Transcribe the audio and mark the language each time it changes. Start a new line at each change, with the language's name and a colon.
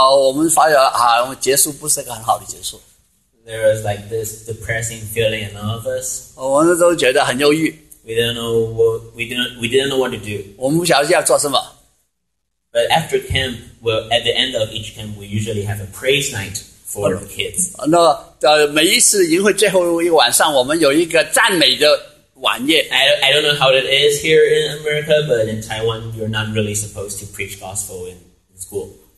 Chinese: 那么第三天是最后一天，我们发现好像结束不是个很好的结束。
English: There was like this depressing feeling in all of us.
Chinese: 我们都觉得很忧郁。
English: We didn't know what to do.
Chinese: 我们不晓得要做什么。
English: But after camp, well, at the end of each camp, we usually have a praise night for the kids.
Chinese: 那每一次营会最后一晚上，我们有一个赞美的晚宴。
English: I don't know how it is here in America, but in Taiwan, you're not really supposed to preach gospel in school.